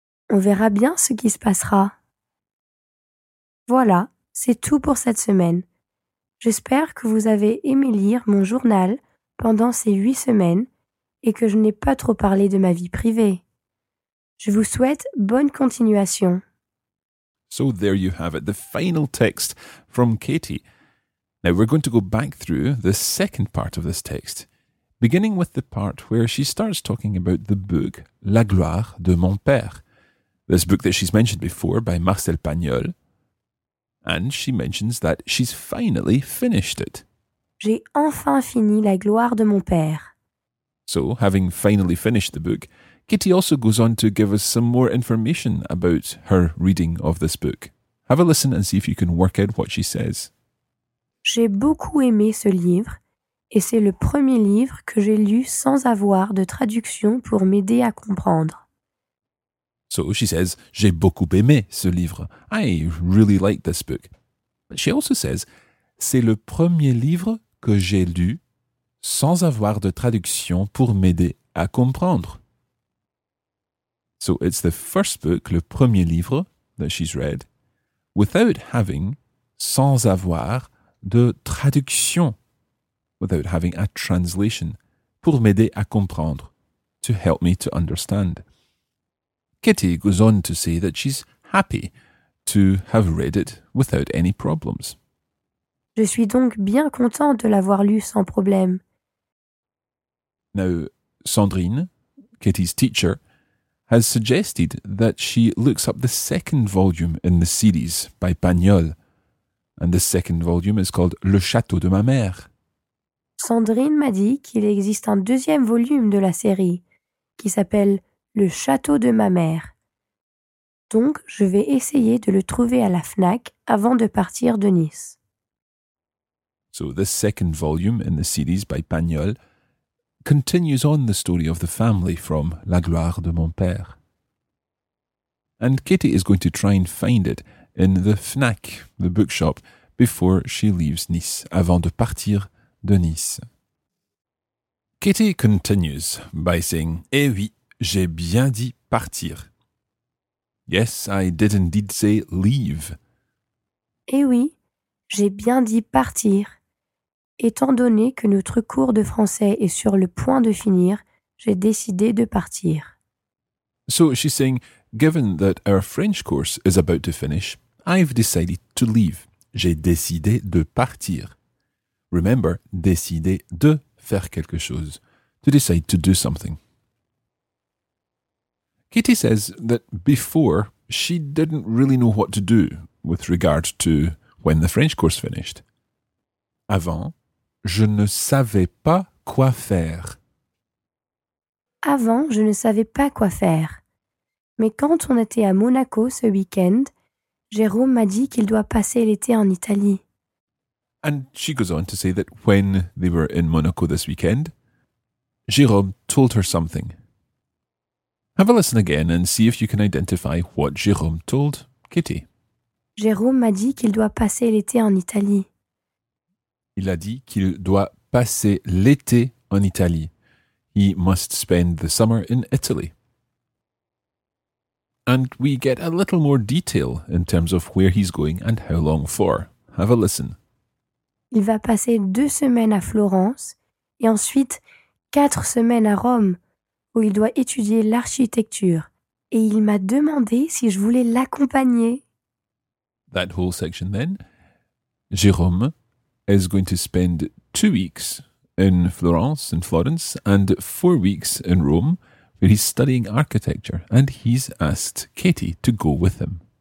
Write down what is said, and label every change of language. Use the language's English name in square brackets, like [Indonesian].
[French] On verra bien ce qui se passera. Voilà, c'est tout pour cette semaine. J'espère que vous avez aimé lire mon journal pendant ces 8 semaines et que je n'ai pas trop parlé de ma vie privée. Je vous souhaite bonne continuation. [English] So there you have it, the final text from Katie. Now we're going to go back through the second part of this text, beginning with the part where she starts talking about the book La gloire de mon père, this book that she's mentioned before by Marcel Pagnol. And she mentions that she's finally finished it. [French] J'ai enfin fini La gloire de mon père. [English] So, having finally finished the book, Kitty also goes on to give us some more information about her reading of this book. Have a listen and see if you can work out what she says. [French] J'ai beaucoup aimé ce livre et c'est le premier livre que j'ai lu sans avoir de traduction pour m'aider à comprendre. [English] So she says, [French] j'ai beaucoup aimé ce livre. [English] I really like this book. But she also says, [French] c'est le premier livre que j'ai lu sans avoir de traduction pour m'aider à comprendre. [English] So it's the first book, [French] le premier livre [English] that she's read, without having, [French] sans avoir, de traduction, [English] without having a translation, [French] pour m'aider à comprendre, [English] to help me to understand. Kitty goes on to say that she's happy to have read it without any problems. [French] Je suis donc bien contente de l'avoir lu sans problème. [English] Now, Sandrine, Kitty's teacher, has suggested that she looks up the second volume in the series by Pagnol. And the second volume is called Le Château de ma mère. [French] Sandrine m'a dit qu'il existe un deuxième volume de la série qui s'appelle Le Château de ma mère. Donc, je vais essayer de le trouver à la FNAC avant de partir de Nice. [English] So, the second volume in the series by Pagnol continues on the story of the family from La Gloire de mon père. And Kitty is going to try and find it in the FNAC, the bookshop, before she leaves Nice, [French] avant de partir de Nice. [English] Kitty continues by saying, [French] eh oui, j'ai bien dit partir. [English] Yes, I did indeed say leave. [French] Eh oui, j'ai bien dit partir. Étant donné que notre cours de français est sur le point de finir, j'ai décidé de partir. [English] So she's saying, given that our French course is about to finish, I've decided to leave. [French] J'ai décidé de partir. Remember, décider de faire quelque chose. [English] To decide to do something. Kitty says that before, she didn't really know what to do with regard to when the French course finished. [French] Avant, je ne savais pas quoi faire. Avant, je ne savais pas quoi faire. Mais quand on était à Monaco ce week-end, Jérôme m'a dit qu'il doit passer l'été en Italie. [English] And she goes on to say that when they were in Monaco this weekend, Jérôme told her something. Have a listen again and see if you can identify what Jérôme told Kitty. [French] Jérôme m'a dit qu'il doit passer l'été en Italie. Il a dit qu'il doit passer l'été en Italie. [English] He must spend the summer in Italy. And we get a little more detail in terms of where he's going and how long for. Have a listen. [French] Il va passer 2 semaines à Florence et ensuite 4 semaines à Rome, où il doit étudier l'architecture. Et il m'a demandé si je voulais l'accompagner. [English] That whole section then. Jérôme is going to spend 2 weeks in Florence, in Florence, and 4 weeks in Rome, where he's studying architecture, and he's asked Katie to go with him.